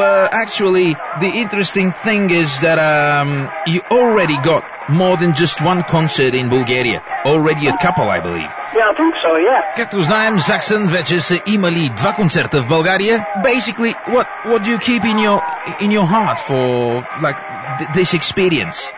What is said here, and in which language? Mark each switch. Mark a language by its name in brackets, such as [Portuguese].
[English] Actually, the interesting thing is that you already got more than just one concert in Bulgaria. Already a couple, I believe. Yeah, I think so, yeah. [Bulgarian] Както знаем, Саксън вече са имали два концерта в България. [English] Basically, what do you keep in your heart for, like, this experience?